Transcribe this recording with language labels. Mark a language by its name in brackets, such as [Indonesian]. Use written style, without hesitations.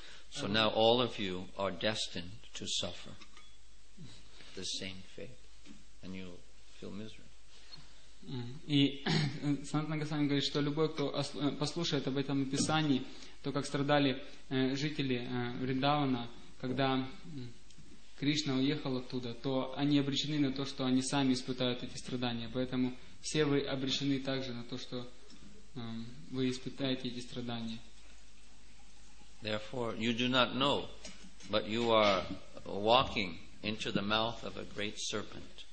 [English] So now all of you are destined to suffer the same fate. And you'll feel misery. [Russian] И Санат Нагасвами говорит, что любой, кто послушает об этом описании, то, как страдали жители Вриндавана, когда Кришна уехал оттуда, то они обречены на то, что они сами испытают эти страдания. Поэтому все вы обречены также на то, что вы испытаете эти страдания. [English] Therefore, you do not know, but you are walking into the mouth of a great serpent.